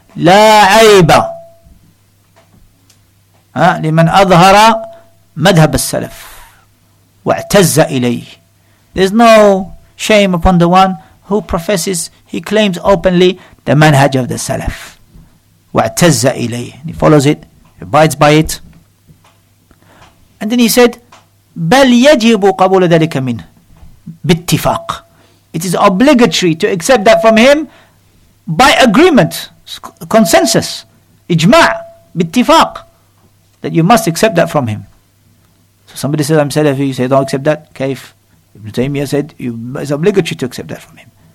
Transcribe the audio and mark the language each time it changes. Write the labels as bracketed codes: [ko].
[ar] لا عيب لمن أظهر مذهب السلف واعتز إليه. [en] There's no shame upon the one who professes, he claims openly the manhaj of the salaf. [ar] واعتز إليه. [en] He follows it, abides by it. And then he said, [ar] بل يجب قبول ذلك منه باتفاق. [en] It is obligatory to accept that from him by agreement. Consensus, ijma', bittifaq, that you must accept that from him. So somebody says, I'm Salafi, you say, don't accept that, kaif. Ibn Taymiyyah said, it's obligatory to accept that from him.